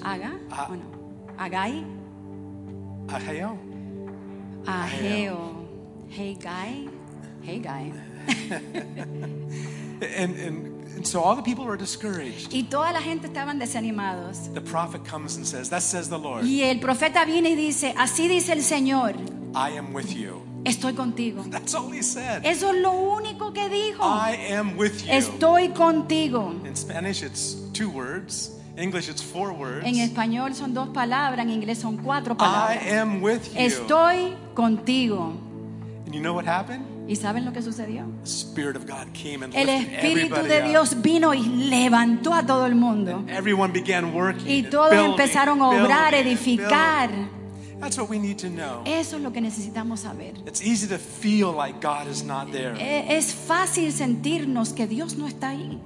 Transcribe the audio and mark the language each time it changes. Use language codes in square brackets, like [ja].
[es] Haga. Bueno, Haggai. Ageo. Ageo. Haggai. Haggai. [en] And so all the people were discouraged. [es] Y toda la gente estaban desanimados. [en] The prophet comes and says, "Thus says the Lord." [es] Y el profeta viene y dice, así dice el Señor. [en] I am with you. [es] Estoy contigo. [en] That's all he said. [es] Eso es lo único que dijo. [en] I am with you. [es] Estoy contigo. [en] In Spanish, it's two words. English, it's four words. [es] En español son dos palabras. En inglés son cuatro palabras. [en] I am with you. [es] Estoy contigo. [en] And you know what happened? [es] ¿Y saben lo que sucedió? [en] The Spirit of God came and [es] el Espíritu de Dios [en] up [es] vino y levantó a todo el mundo. [en] And everyone began working, [es] y todos [en] building, [es] empezaron a obrar, [en] building, [es] edificar. [en] That's what we need to know. [es] Eso es lo que necesitamos saber. [en] It's easy to feel like God is not there. [es] Es fácil sentirnos que Dios no está ahí.